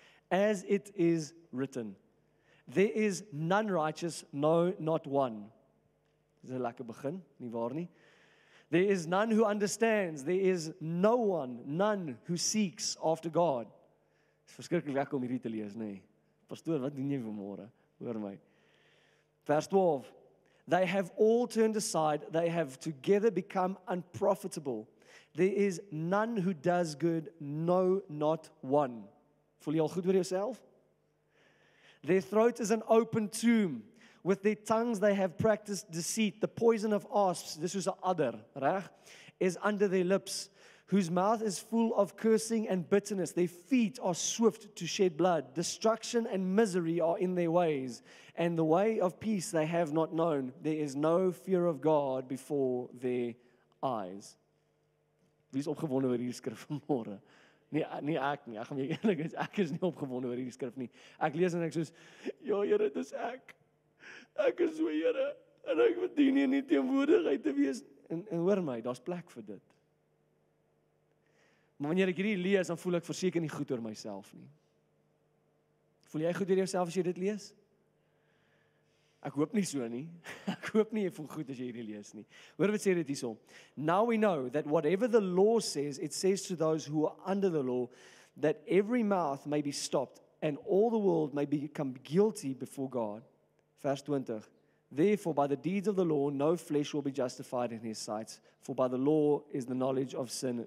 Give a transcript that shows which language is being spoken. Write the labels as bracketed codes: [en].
[en] As it is written, there is none righteous, no, not one. [af] Dis 'n lekker begin, nie waar nie. [en] There is none who understands, there is no one, none who seeks after God. [af] Dis verskriklik lekker om hierdie te lees, nê. Pastoor, wat doen jy vanmôre? Hoor my. Vers 12. [en] They have all turned aside, they have together become unprofitable. There is none who does good, no, not one. [af] Voel jy al goed oor jouself? [en] Their throat is an open tomb. With their tongues they have practiced deceit. The poison of asps, this is a adder, right? Is under their lips, whose mouth is full of cursing and bitterness. Their feet are swift to shed blood. Destruction and misery are in their ways. And the way of peace they have not known. There is no fear of God before their eyes. [af] Wie is opgewonde oor hierdie skrif vanmôre? Nee, ek nie. Ek gaan jy eerlik is, ek is nie opgewonde oor hierdie skrif nie. Ek lees en ek soos, ja, Here, dit is ek. Ek is so, Here, en ek verdien nie die teenwoordigheid te wees. En hoor my, daar is plek vir dit. Maar wanneer ek hierdie lees, dan voel ek verseker nie goed oor myself nie. Voel jy goed oor jouself as jy dit lees? Ek hoop nie so nie. Ek hoop nie jy voel goed as jy hierdie lees nie. Hoor wat sê dit hierso. [en] Now we know that whatever the law says, it says to those who are under the law, that every mouth may be stopped and all the world may become guilty before God. [af] Vers 20. [en] Therefore, by the deeds of the law, no flesh will be justified in his sight, for by the law is the knowledge of sin.